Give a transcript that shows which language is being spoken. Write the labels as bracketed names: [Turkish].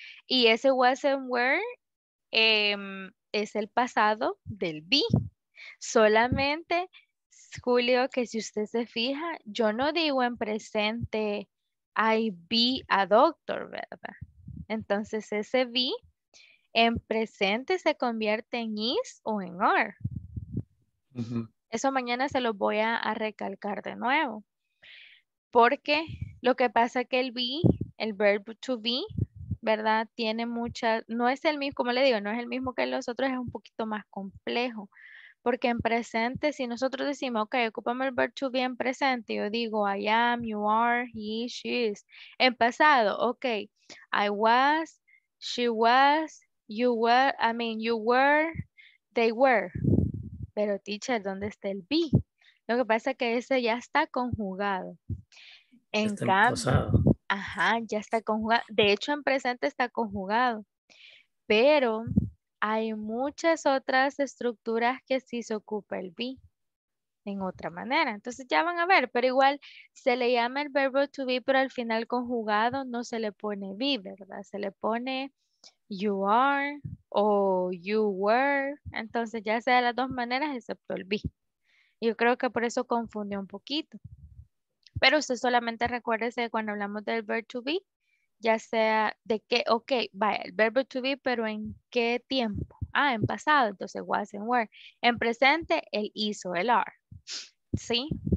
[Spanish] Y ese was and were es el pasado del be. Solamente, Julio, que si usted se fija, yo no digo en presente [English] I be a doctor, [Spanish] ¿verdad? Entonces ese be en presente se convierte en is o en are. Eso mañana se lo voy a recalcar de nuevo. Porque lo que pasa es que el be, el verb to be, ¿verdad? Tiene muchas, no es el mismo, como le digo, no es el mismo que los otros, es un poquito más complejo. Porque en presente, si nosotros decimos, ok, ocupamos el verb to be en presente, yo digo, [English] I am, you are, he, she is. [Spanish] En pasado, [English] ok, I was, she was, you were, I mean, you were, they were. [Spanish] Pero teacher, ¿dónde está el be? Lo que pasa es que ese ya está conjugado. En cambio, ajá, ya está conjugado. De hecho, en presente está conjugado. Pero hay muchas otras estructuras que sí se ocupa el be en otra manera. Entonces ya van a ver, pero igual se le llama el verbo to be, pero al final conjugado no se le pone be, ¿verdad? Se le pone [English] you are [Spanish] o [English] you were. [Spanish] Entonces ya sea de las dos maneras excepto el be. Yo creo que por eso confundió un poquito. Pero usted solamente recuérdese de cuando hablamos del verb to be, ya sea de qué, ok, vaya, el verbo to be, pero ¿en qué tiempo? Ah, en pasado, entonces [English] was and were. [Spanish] En presente, el is o el are. ¿Sí?